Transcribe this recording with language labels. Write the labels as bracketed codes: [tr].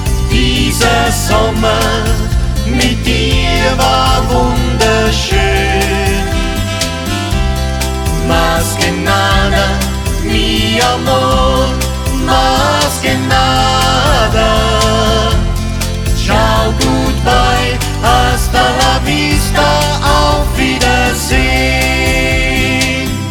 [de] Dieser Sommer mit dir war wunderschön. [es] Más que nada, mi amor, más que nada. [it] Ciao, [en] goodbye, [es] hasta la vista, [de] auf Wiedersehen.